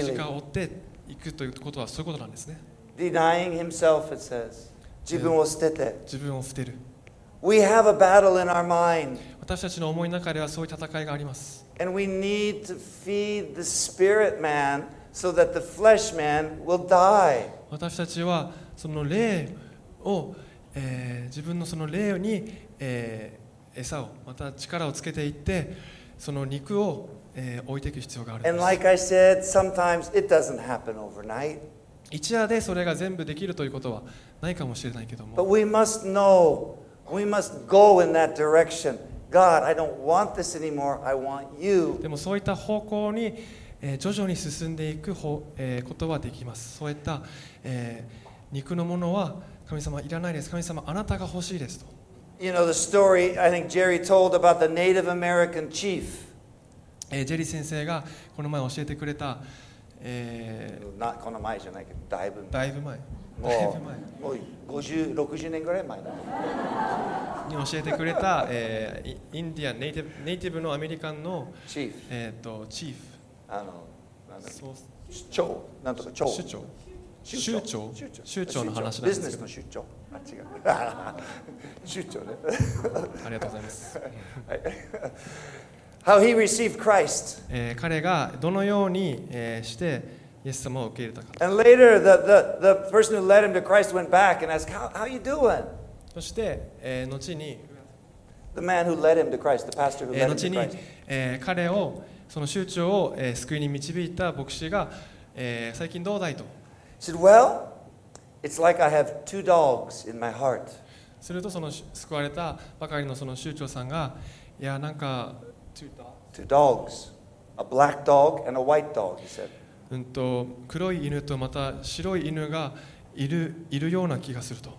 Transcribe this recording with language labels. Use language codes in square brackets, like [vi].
[ja] 十字架を追っていくということはそういうことなんですね。 [en] Denying himself, it says. [ja] 自分を捨てて、自分を捨てる。 [en] We have a battle in our mind. [ja] 私たちの思いの中ではそういう戦いがあります。 [en] And we need to feed the spirit man so that the flesh man will die. [ja] 私たちはその霊を、自分のその霊に、餌をまた力をつけていってその肉を、置いていく必要があるんです。 [en] And like I said, sometimes it doesn't happen overnight. [ja] 一夜でそれが全部できるということはないかもしれないけども。 [en] But we must know. We must go in that direction. God, I don't want this anymore. I want you. [ja] でもそういった方向に、徐々に進んでいく方、ことはできます。そういった、肉のものは神様いらないです。神様あなたが欲しいですと。 [en] You know the story I think Jerry told about the Native American chief.、 [ja] ジェリー先生がこの前教えてくれた、 Not この前じゃないけど、だいぶ前。だいぶ前。もう50、60年ぐらい前だに教えてくれた、インディアンネイティブのアメリカンのチーフ、チーフ、あのなんだっけ、長、なんとか長、州長、州長、州長の話なんですけど、ビジネスの州長、あ違う、州長ね、ありがとうございます。 [en] How he received Christ. [ja] 彼がどのように、して。イエス様を受け入れたか。 [en] And later, the person who led him to Christ went back and asked, how you doing? [ja] そして、後に、 [en] the man who led him to Christ, the pastor who led him to Christ. [ja] 後に、彼を、その宗長を、救いに導いた牧師が、最近どうだいと。 [en] He said, well, it's like I have two dogs in my heart. [ja] すると、その救われたばかりのその宗長さんが、いや、なんか、 [en] two dogs. A black dog and a white dog, he said. [ja] 黒い犬とまた白い犬がいるような気がすると。